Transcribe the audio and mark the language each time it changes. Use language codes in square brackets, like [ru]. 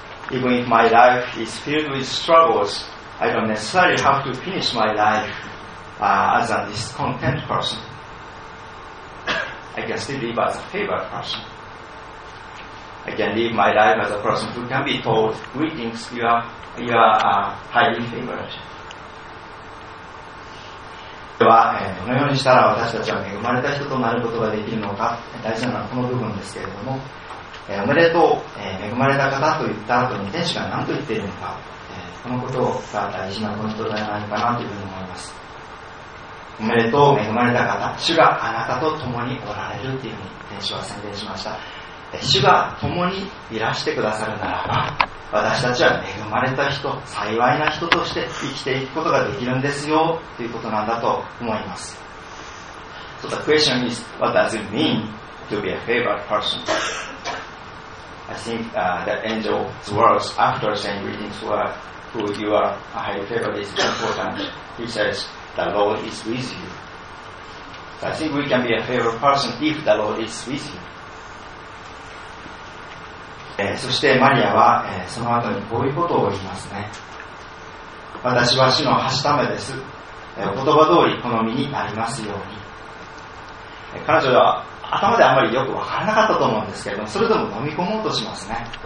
[en] Even if my life is filled with struggles,I don't necessarily have to finish my life as a discontent person. I can still live as a favored person. I can live my life as a person who can be told, greetings, you are highly favored. [ja] では、どのようにしたら私たちは恵まれた人となることができるのか、大事なのはこの部分ですけれども、おめでとう、恵まれた方と言った後に天使が何と言っているのか、このことが大事なポイントではないかなというふうに思います。おめでとう、恵まれた方、主があなたと共におられるというふうに天使は宣言しました。主が共にいらしてくださるならば、私たちは恵まれた人、幸いな人として生きていくことができるんですよということなんだと思います。 [en] So the question is, what does it mean to be a favored person? I think that angel's words after saying greetings were, who you are, a highly favored is important. He says, the Lord is with you. So I think we can be a favored person if the Lord is with you. [ja] そしてマリアは、その後にこういうことを言いますね。私は主のはしためです。お言葉通り好みになりますように。彼女は頭であまりよく分からなかったと思うんですけれども、それでも飲み込もうとしますね。